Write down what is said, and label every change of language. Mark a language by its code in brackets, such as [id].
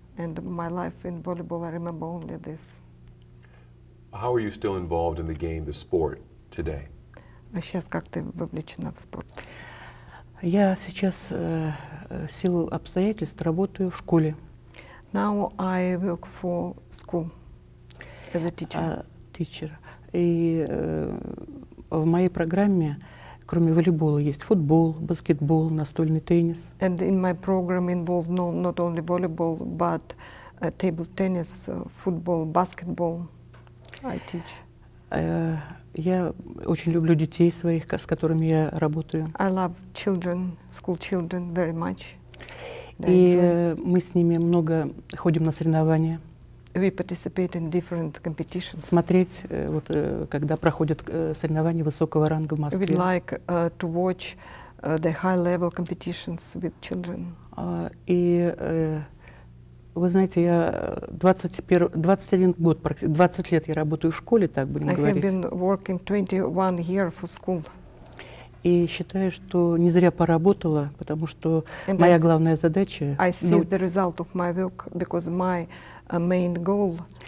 [en] And my life in volleyball, I remember only this. How are you still involved in the game, the sport today? [ru] А сейчас как ты вовлечена в спорт? Я сейчас в силу обстоятельств работаю в школе. [en] Now I work for school as a teacher. [ru] В моей программе, кроме волейбола, есть футбол, баскетбол, настольный теннис. [en] And in my program involved not only volleyball, but table tennis, football, basketball. I teach. [ru] Я очень люблю детей своих, с которыми я работаю. [en] I love children, school children very much. [ru] И мы с ними много ходим на соревнования. [en] We participate in different competitions. [ru] Смотреть, вот, когда проходят соревнования высокого ранга в Москве. [en] We like to watch the high-level competitions with children. [ru] И вы знаете, я 20 лет я работаю в школе, так будем [en] I [ru] говорить. [en] I have been working 21 years for school. [ru] И считаю, что не зря поработала, потому что [en] And [ru] моя главная задача... [en] I see [ru] ну, [en] the result of my work because my main goal...